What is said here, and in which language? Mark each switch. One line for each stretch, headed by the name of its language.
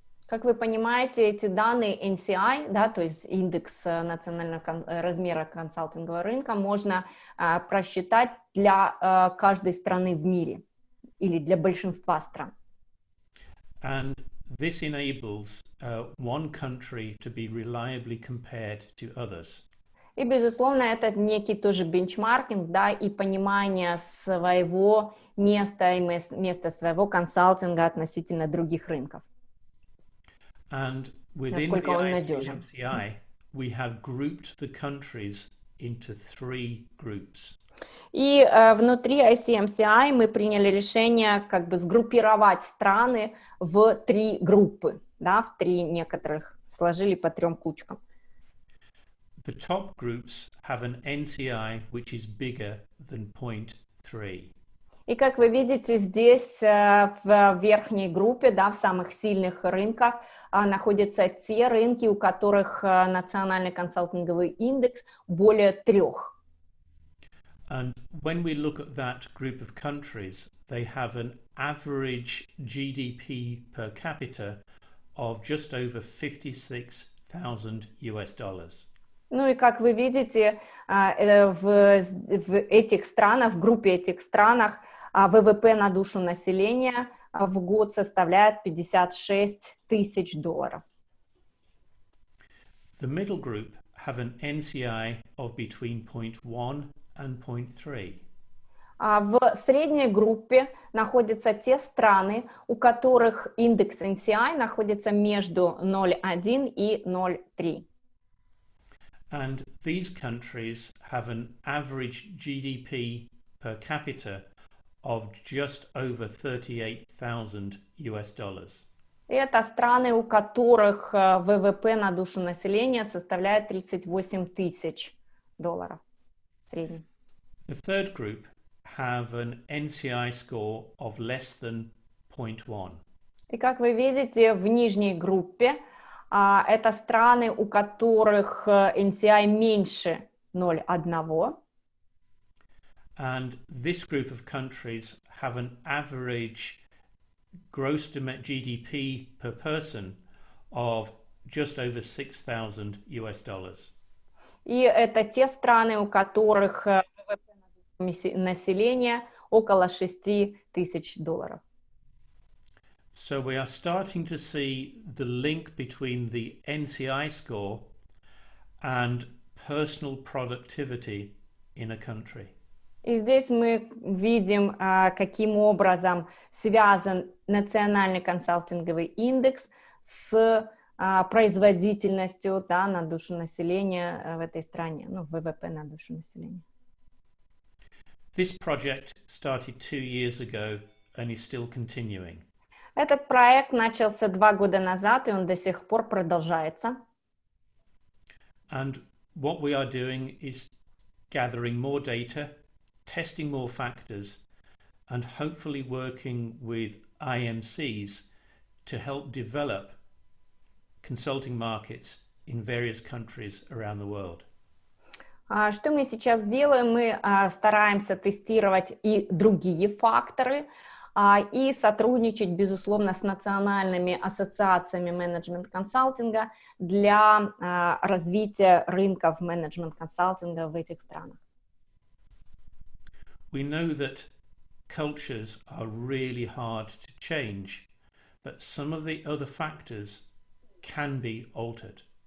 Russian: Как вы понимаете, эти данные NCI, да, то есть индекс национального размера консалтингового рынка, можно просчитать для каждой страны в мире или для большинства стран.
English: And this enables one country to be reliably compared to others.
Russian: И, безусловно, это некий тоже бенчмаркинг, да, и понимание своего места и места своего консалтинга относительно других рынков.
English: And within NCI, we have grouped the countries into three groups.
Russian: И внутри ICMCI мы приняли решение как бы сгруппировать страны в три группы, да, в три некоторых, сложили по трем кучкам.
English: The top groups have an NCI which is bigger than 0.3.
Russian: И как вы видите, здесь в верхней группе, да, в самых сильных рынках, находятся те рынки, у которых национальный консалтинговый индекс более трех.
English: And when we look at that group of countries, they have an average GDP per capita of just over $56,000.
Russian: Ну и как вы видите, в этих странах, в группе этих странах, ВВП на душу населения в год составляет $56,000.
English: The middle group have an NCI of between 0.1 and 0.3.
Russian: А в средней группе находятся те страны, у которых индекс NCI находится между 0.1 и 0.3.
English: And these countries have an average GDP per capita of just over $38,000.
Russian: Это страны, у которых ВВП на душу населения составляет $38,000 средний.
English: The third group have an NCI score of less than 0.1.
Russian: И как вы видите, в нижней группе это страны, у которых NCI меньше 0.1.
English: And this group of countries have an average gross GDP per person of just over $6,000.
Russian: И это те страны, у которых ВВП населения около $6,000.
English: So we are starting to see the link between the NCI score and personal productivity in a country.
Russian: И здесь мы видим, каким образом связан национальный консалтинговый индекс с производительностью, да, на душу населения в этой стране, ну, ВВП на душу населения.
English: This project started 2 years ago and is still continuing.
Russian: Этот проект начался 2 года назад, и он до сих пор продолжается.
English: And what we are doing is gathering more data, testing more factors, and hopefully working with IMCs to help develop consulting markets in various countries around the world.
Russian: Что мы сейчас делаем? Мы стараемся тестировать и другие факторы, и сотрудничать, безусловно, с национальными ассоциациями менеджмент-консалтинга для развития рынков менеджмент-консалтинга в этих странах.
English: We know that cultures are really hard to change, but some of the other factors can be altered.